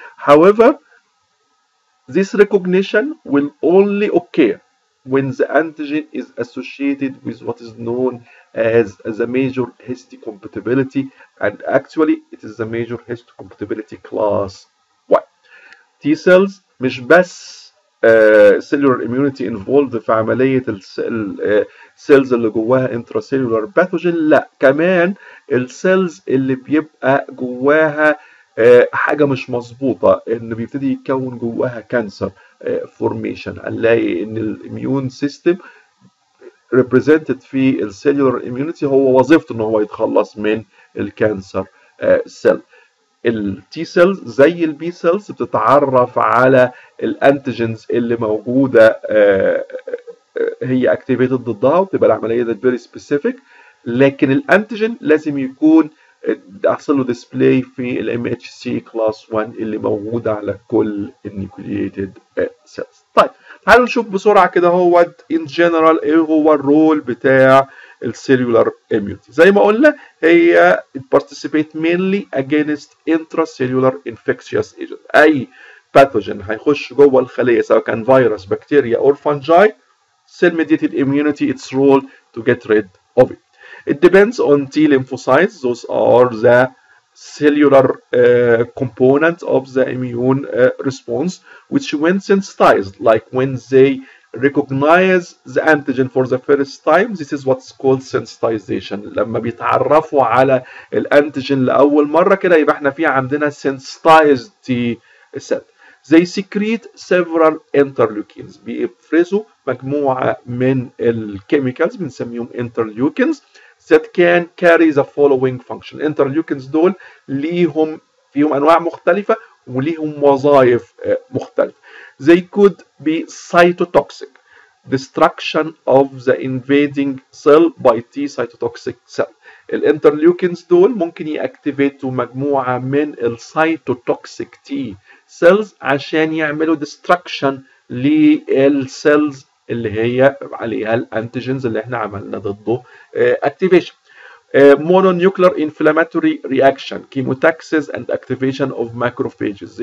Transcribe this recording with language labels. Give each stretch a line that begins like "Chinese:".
English: However, this recognition will only occur when the antigen is associated with what is known as a major histocompatibility, and actually it is a major histocompatibility class 1.
Arabic: T cells مش بس
English: cellular immunity involved
Arabic: في عملية cells اللي جواها intracellular pathogen، لا كمان cells اللي بيبقى جواها حاجة مش مظبوطة، إن بيبتدي يتكون جواها كانسر فورميشن، هنلاقي إن الإميون سيستم represented في السيلولر إميونيتي هو وظيفته إن هو يتخلص من الكانسر سيل. التي سيلز زي البي سيلز بتتعرف على الأنتيجنز اللي موجودة هي اكتيفيتد ضدها، وتبقى العملية ذات فيري سبيسيفيك، لكن الأنتيجن لازم يكون أحصله ديسبلاي في الـ MHC class 1 اللي موجودة على كل النيوكليتيد سيلز. طيب تعالوا نشوف بسرعة كده هو
English: in general
Arabic: ايه هو الرول بتاع السيلولار immunity. زي ما قلنا هي
English: participate mainly against intracellular infectious agent،
Arabic: اي pathogen هيخش جوه الخلية سواء كان virus, bacteria or fungi.
English: Cell-mediated immunity, its role to get rid of it. It depends on T lymphocytes. Those are the cellular components of the immune response, which when sensitized, like when they recognize the antigen for the first time, this is what's called sensitization.
Arabic: لما بيتعرفوا على الانتجن لأول مرة كده يبقى احنا فيها عندنا sensitized T cell.
English: They secrete several interleukins.
Arabic: بيفرزوا مجموعة من الكيميكالز بنسميهم
English: interleukins that can carry the following function.
Arabic: Interleukins دول ليهم فيهم أنواع مختلفة وليهم وظائف مختلفة.
English: They could be cytotoxic, destruction of the invading cell by T cytotoxic cell.
Arabic: الانترليوكينز دول ممكن يأكتيفيتوا مجموعة من السيتوتوكسيك تي سيلز عشان يعملوا destruction للسيلز اللي هي عليها الانتيجنز اللي احنا عملنا ضده اكتيفيشن.
English: Mononuclear inflammatory reaction, chemotaxis and activation of macrophages.